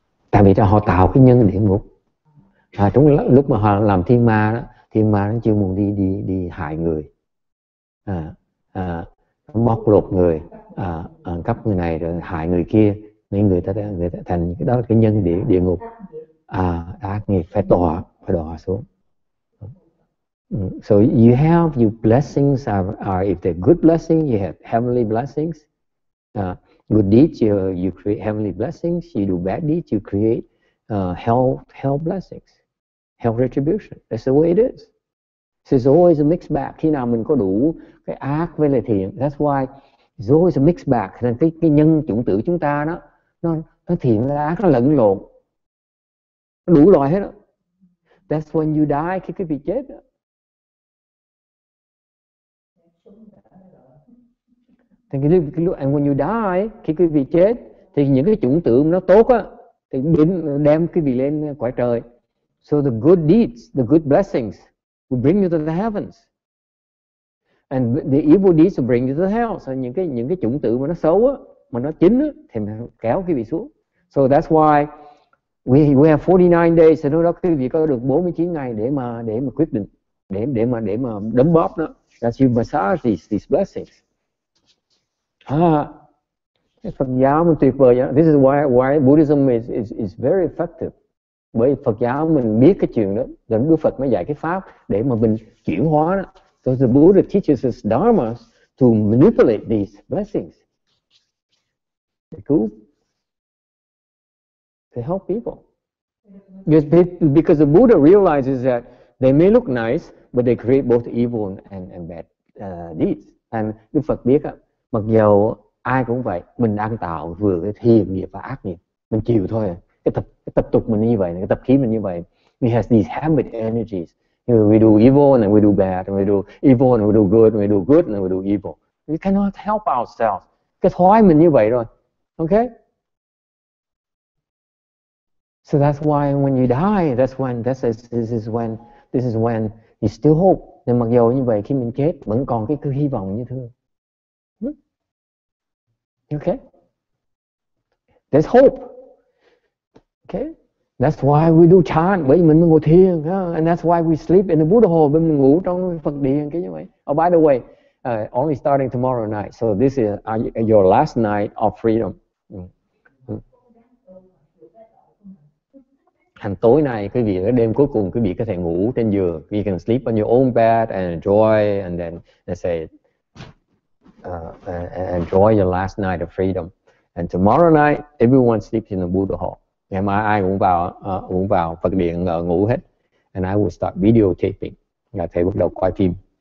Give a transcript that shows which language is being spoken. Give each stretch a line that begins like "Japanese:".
Vietnamese: Tại vì cho họ tạo cái nhân địa ngục. À, đúng lúc mà họ làm thiên ma đó, thiên ma nó chưa muốn đi hại người, bóc lột người, ăn cắp người này rồi hại người kia, nên người ta thành cái đó là cái nhân địa ngục, ác nghiệp phải đọa xuống.
English: So you have your blessings are if they're good blessings, you have heavenly blessings. Good deeds, you create heavenly blessings. You do bad deeds, you create hell blessings, hell retribution. That's the way it is. So it's always a mixed bag.
Vietnamese: Khi nào mình có đủ cái ác với lại thiện,
English: that's why it's always a mixed bag.
Vietnamese: Nên cái nhân chủng tử chúng ta đó, nó thiện là ác, nó lẫn lộn, nó đủ loại hết đó.
English: That's when you die,
Vietnamese: khi cái vị chết đó.
English: And when you die,
Vietnamese: khi quý vị chết, thì những cái chủng tử nó tốt á, thì đem quý vị lên quả trời.
English: So the good deeds, the good blessings, will bring you to the heavens. And the evil deeds will bring you to the hell.
Vietnamese: So những cái chủng tử mà nó xấu á, mà nó chín á, thì nó kéo quý vị xuống.
English: So that's why we have 49 days.
Vietnamese: So đó quý vị có được 49 ngày để mà quyết định, để mà đấm bóp nó.
English: That's you massage these blessings.
Vietnamese: Phật giáo mình tuyệt vời.
English: This is why Buddhism is very effective.
Vietnamese: Bởi Phật giáo mình biết cái chuyện đó, nên Đức Phật mới dạy cái pháp để mà mình chuyển hóa đó.
English: So the Buddha teaches us dharmas to manipulate these blessings. To help people. Just because the Buddha realizes that they may look nice, but they create both evil and bad deeds.
Vietnamese: And Đức Phật biết đó. Mặc dù ai cũng vậy, mình đang tạo vừa cái thiện nghiệp và ác nghiệp, mình chịu thôi. Cái tập tục mình như vậy, cái tập khí mình như vậy.
English: We have these habit energies. We do evil and we do bad, and we do evil and we do good, and we do good and we do evil. We cannot help ourselves.
Vietnamese: Cái thói mình như vậy rồi, okay?
English: So that's why when you die, this is when you still hope.
Vietnamese: Nên mặc dù như vậy, khi mình chết vẫn còn cái hy vọng như thường.
English: Okay. There's hope. Okay. That's why we do chant.
Vietnamese: Bởi vì mình ngồi thiền,
English: and that's why we sleep in the Buddha hall.
Vietnamese: Bởi mình ngủ trong Phật điện, cái như vậy.
English: Oh, by the way, only starting tomorrow night. So this is your last night of freedom.
Vietnamese: Hành tối nay, quý vị ở đêm cuối cùng, quý vị có thể ngủ trên giường.
English: You can sleep on your own bed and enjoy, and then and say. Enjoy your last night of freedom. And tomorrow night, everyone sleeps in the Buddha hall.
Vietnamese: Ngày mai ai cũng vào Phật điện ngủ hết.
English: And I will start videotaping.
Vietnamese: Là thầy bắt đầu quay phim.